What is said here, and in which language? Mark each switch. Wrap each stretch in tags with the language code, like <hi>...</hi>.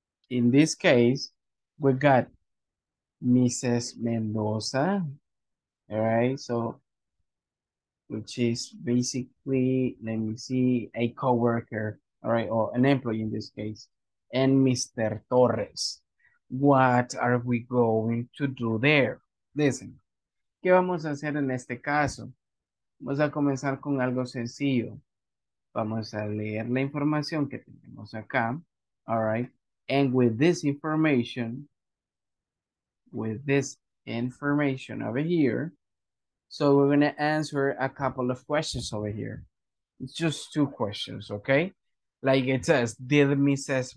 <en>In this case, we got Mrs. Mendoza. All right, so which is basically, let me see, a coworker. All right, or an employee in this case, and Mr. Torres. What are we going to do there?</en> <es>Listen, ¿qué vamos a hacer en este caso? Vamos a comenzar con algo sencillo. Vamos a leer la información que tenemos acá.</es> <en>All right, and with this information over here, so we're going to answer a couple of questions over here. It's just two questions, okay? Like it says, did Mrs.</en>